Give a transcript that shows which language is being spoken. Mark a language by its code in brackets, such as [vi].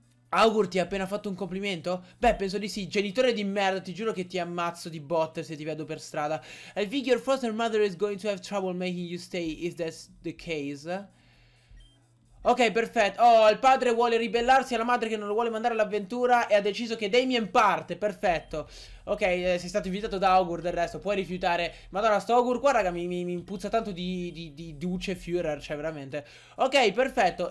[it] Augur, ti ha appena fatto un complimento? Beh, penso di sì. Genitore di merda, ti giuro che ti ammazzo di botte se ti vedo per strada. [en] I think your foster mother is going to have trouble making you stay, if that's the case. [it] Ok, perfetto. Oh, il padre vuole ribellarsi alla madre che non lo vuole mandare all'avventura e ha deciso che Damien parte. Perfetto. Ok, sei stato invitato da Augur, del resto puoi rifiutare. Madonna, sto Augur qua, raga, mi puzza tanto di Duce Führer, cioè veramente. Ok, perfetto.